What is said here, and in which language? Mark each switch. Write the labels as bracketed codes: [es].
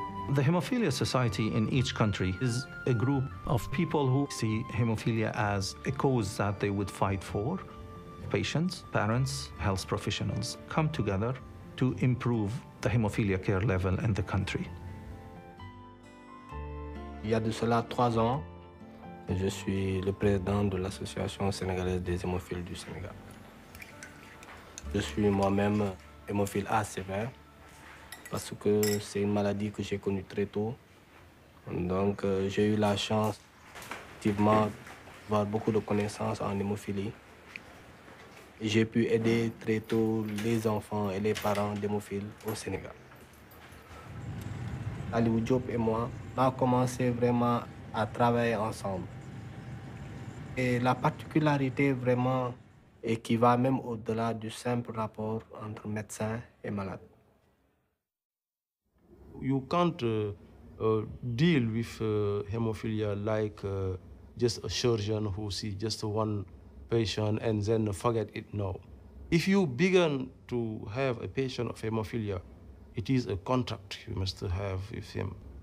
[en] The Hemophilia Society in each country is a group of people who see hemophilia as a cause that they would fight for. Patients, parents, health professionals come together to improve the hemophilia care level in the country. [fr] Il y a de cela trois ans, je suis le président de l'Association sénégalaise des hémophiles du Sénégal. Je suis moi-même hémophile A sévère. Parce que c'est une maladie que j'ai connue très tôt. Donc j'ai eu la chance effectivement d'avoir beaucoup de connaissances en hémophilie. J'ai pu aider très tôt les enfants et les parents d'hémophiles au Sénégal. Aliou Diop et moi, on a commencé vraiment à travailler ensemble. Et la particularité vraiment est qui va même au-delà du simple rapport entre médecin et malade. [en] You can't deal with hemophilia like just a surgeon who sees just one patient and then forget it. No. If you begin to have a patient of hemophilia, it is a contract you must have with him.